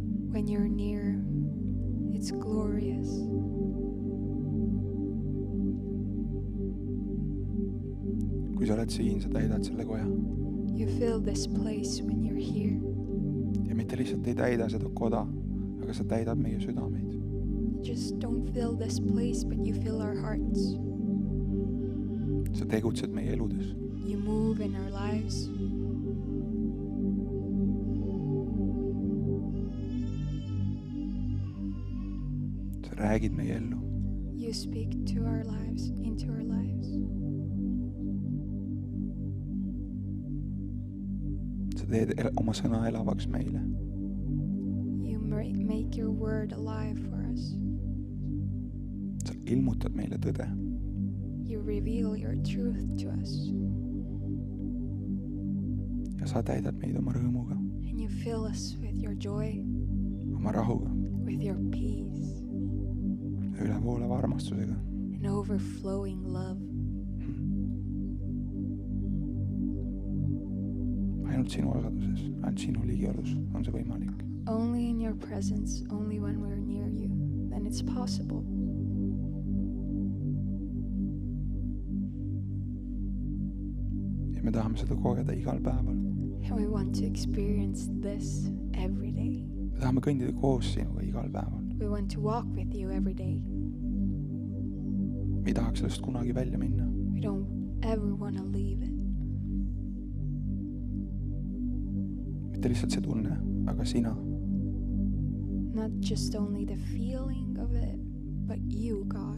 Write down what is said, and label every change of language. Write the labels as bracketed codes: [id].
[en] When you're near, it's glorious. [et] Kui sa oled siin, sa täidad selle koja. [en] You fill this place when you're here. [et] Ja mitte lihtsalt ei täida seda koda, aga sa täidad meie südameid. [en] Just don't fill this place, but you fill our hearts. [et] Sa tegutsed meie eludes. [en] You move in our lives. [et] Sa räägid meie ellu. [en] You speak to our lives, into our lives. [et] Sa teed oma sõna elavaks meile. [en] You make your word alive for us. [et] Sa ilmutad meile tõde. [en] You reveal your truth to us. [et] Ja sa täidad meid oma rõõmuga. [en] And you fill us with your joy. [et] Oma rahuga. [en] With your peace. [et] Ja ülevoolava armastusega. [en] An overflowing love. [et] Ainult sinu osaduses, ainult sinu ligiolus on see võimalik. [en] Only in your presence, only when we're near you, then it's possible. [et] Me tahame seda kogeda igal päeval. [en] And we want to experience this every day. [et] Me tahame kõndida koos sinuga igal päeval. [en] We want to walk with you every day. [et] Me ei tahaks sellest kunagi välja minna. [en] We don't ever want to leave it. [et] Mitte lihtsalt see tunne, aga sina. [en] Not just only the feeling of it, but you, God.